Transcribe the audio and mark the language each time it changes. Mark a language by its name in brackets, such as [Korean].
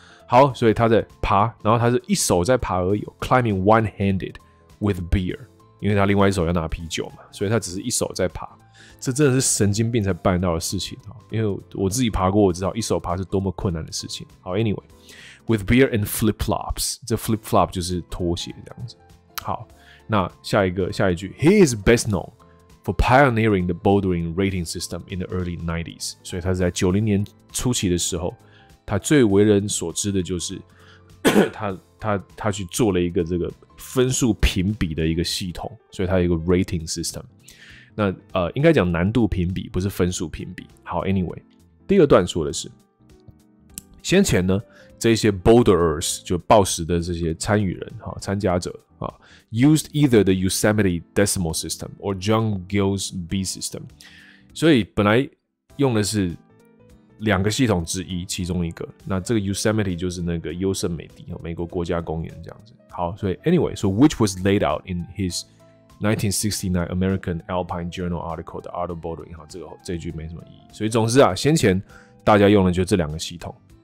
[Chinese] 好，所以他在爬，然后他是一手在爬而已 ， [English] climbing one-handed with beer。 [Chinese] 因为他另外一手要拿啤酒嘛，所以他只是一手在爬，这真的是神经病才办到的事情、哦、因为我自己爬过，我知道一手爬是多么困难的事情。好 ， [English] anyway， with beer and flip flops， [Chinese] 这 flip flop 就是拖鞋这样子。好，那下一句 [English] ，He is best known for pioneering the bouldering rating system in the early 90s。 [Chinese] 所以他是在90年初期的时候，他最为人所知的就是他去做了一个这个分数评比的一个系统，所以它有一个 rating system。那应该讲难度评比，不是分数评比。好 ，anyway， 第二段说的是，先前呢，这些 boulderers 就暴食的这些参与人哈、哦、参加者啊、哦、， [English] used either the Yosemite Decimal System or John Gill's B System， [Chinese] 所以本来用的是两个系统之一，其中一个。那这个 Yosemite 就是那个优胜美地，美国国家公园这样子。好，所以 [English] anyway， 所、so、以 which was laid out in his 1969 American Alpine Journal article the art of bouldering。 [Chinese] 好，这句没什么意义。所以总之啊，先前大家用的就是这两个系统。